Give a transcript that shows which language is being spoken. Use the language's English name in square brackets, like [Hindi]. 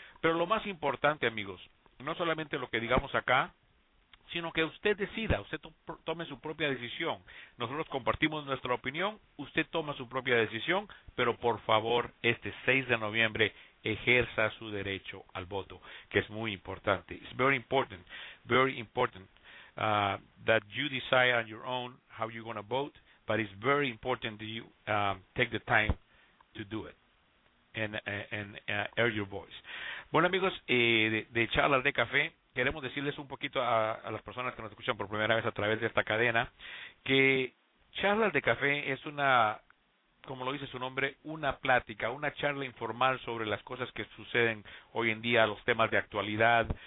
[Spanish] Pero lo más importante, amigos, no solamente lo que digamos acá, sino que usted decida, usted tome su propia decisión. Nosotros compartimos nuestra opinión, usted toma su propia decisión, pero por favor, este 6 de noviembre, ejerza su derecho al voto, que es muy importante. [English] It's very important that you decide on your own how you're going to vote, but it's very important that you take the time to do it and air your voice. [Spanish] Bueno, amigos, de charlas de café, queremos decirles un poquito a las personas que nos escuchan por primera vez a través de esta cadena, que charlas de café es una, como lo dice su nombre, una plática, una charla informal sobre las cosas que suceden hoy en día, los temas de actualidad.